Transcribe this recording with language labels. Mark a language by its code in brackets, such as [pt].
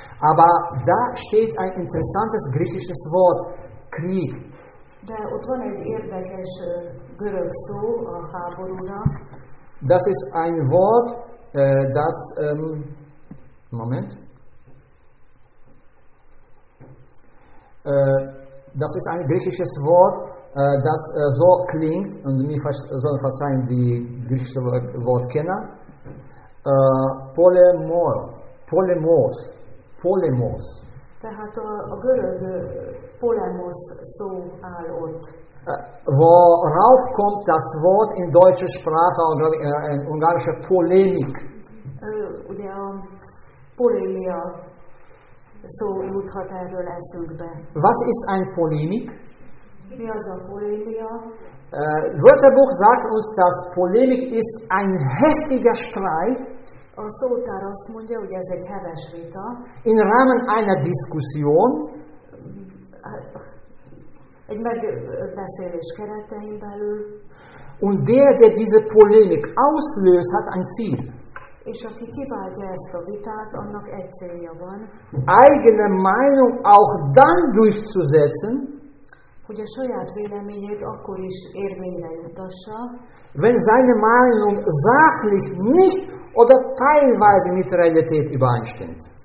[de] Aber da steht ein interessantes griechisches Wort, Krieg. [hu] De ott van egy érdekes görög szó a háborúnak. [de] Das ist ein Wort, das Moment. Das ist ein griechisches Wort, das so klingt, und mir sollen verzeihen die griechische Wortkenner. Polemos. Polemos. [hu] Tehát a görög polemos szó áll ott. [de] Worauf kommt das Wort in deutscher Sprache, in ungarischer Polemik? [hu] Ugye a polémia szó juthat erről eszünkbe. [de] Was ist ein Polemik? [hu] Mi az a polémia? [de] Wörterbuch sagt uns, dass Polemik ist ein heftiger Streit. [hu] A szótár azt mondja, hogy ez egy heves vita. [de] In Rahmen einer Diskussion. [hu] Egy megbeszélés keretein belül. [de] Und der diese Polemik auslöst, hat ein Ziel. [hu] És aki kiváltja ezt a vitát, annak egy célja van. [de] Eigene Meinung auch dann durchzusetzen, [hu] hogy a saját véleményét akkor is érvényre jutassa, [de] wenn seine Meinung sachlich nicht oder teilweise mit der Realität übereinstimmt.